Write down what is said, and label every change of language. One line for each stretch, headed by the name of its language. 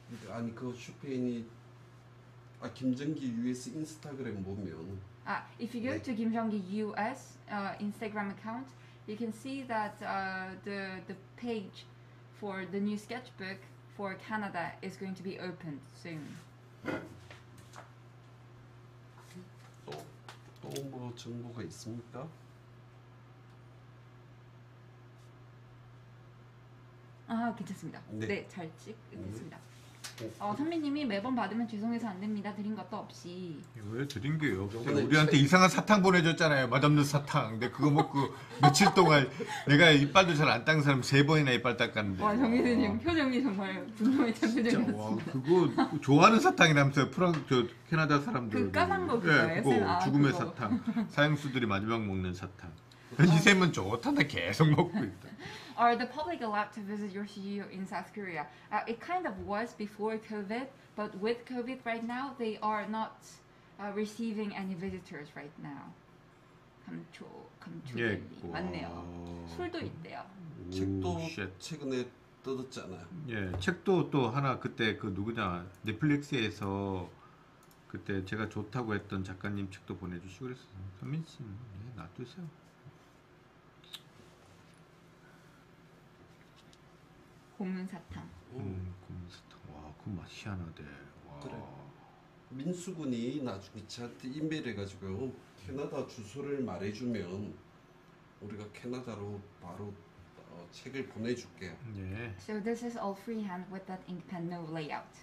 Korean: 아니 그 슈페인이 아 김정기 US 인스타그램 보면
English: 아 if you go 네. to 김정기 US Instagram account you can see that the page for the new sketchbook for Canada is going to be opened soon.
Korean: 또 뭐 정보가 있습니까? 아, 괜찮습니다. 네, 잘 찍겠습니다. 어, 선미님이 매번 받으면 죄송해서 안 됩니다. 드린 것도 없이. 왜 드린 게요? 우리한테 이상한 사탕 보내줬잖아요. 맛없는 사탕. 근데 그거 먹고 며칠 동안 내가 이빨도 잘 안 닦는 사람 세 번이나 이빨 닦았는데. 와, 정 선생님 표정이 정말 분노의 표정이었습니다. 와, 그거 좋아하는 사탕이라면서요. 프랑 저 캐나다 사람들. 그 까만 거 그거예요? 네, 그거. 아, 죽음의 그거. 사탕. 사형수들이 마지막 먹는 사탕. 이샘은 좋다는데 계속 먹고 있다.
English: Are the public allowed to visit your studio in South Korea? It kind of was before COVID, but with COVID right now, they are not receiving any visitors right now.
Korean: 감초감초 예, 맞네요. 술도 있대요. 책도 최근에 뜯었잖아요. 예, 책도 또 하나 그때 그 누구냐 넷플릭스에서 그때 제가 좋다고 했던 작가님 책도 보내주시고 그랬어요. 선민 씨는 예, 놔두세요. 고문사탕. 고문사탕. 와, 그 맛 희한하대. 와. 그래. 민수군이 나중에 저한테 인밀해가지고 캐나다 주소를 말해주면 우리가 캐나다로 바로 책을 보내줄게. 네.
English: So this is all freehand with that ink pen, no layout.